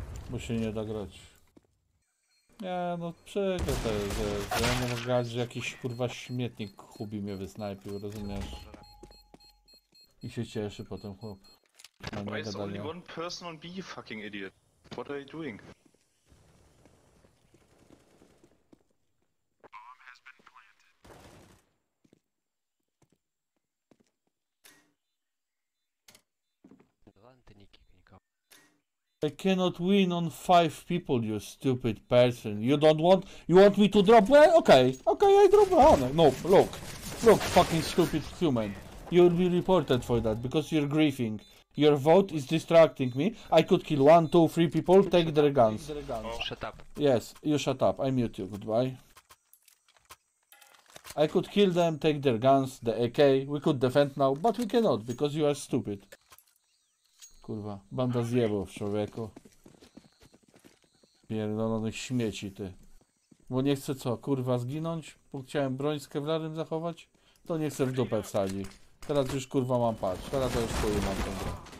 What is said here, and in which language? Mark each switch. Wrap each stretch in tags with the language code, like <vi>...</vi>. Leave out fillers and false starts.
<pl>Bo się nie da grać. Nie, no przykro to jest, że ja nie mogę grać, że jakiś kurwa śmietnik Hubi mnie wysnajpił, rozumiesz? I się cieszy potem chłop.</pl> <en>Why is only one person on B, you fucking idiot? What are you doing? I cannot win on 5 people, you stupid person. You don't want... You want me to drop... Well, okay. Okay, I drop... No, look. Look, fucking stupid human. You'll be reported for that, because you're griefing. Your vote is distracting me. I could kill 1, 2, 3 people, take their guns. Shut up. Yes, you shut up. I mute you. Goodbye. I could kill them, take their guns, the AK. We could defend now, but we cannot, because you are stupid.</en> <pl>Kurwa, banda zjebów, człowieku. Pierdolonych śmieci, ty. Bo nie chcę co, kurwa, zginąć? Bo chciałem broń z kevlarem zachować? To nie chcę w dupę wsadzić. Teraz już, kurwa, mam patrz. Teraz to już kurwa mam tą grę.</pl>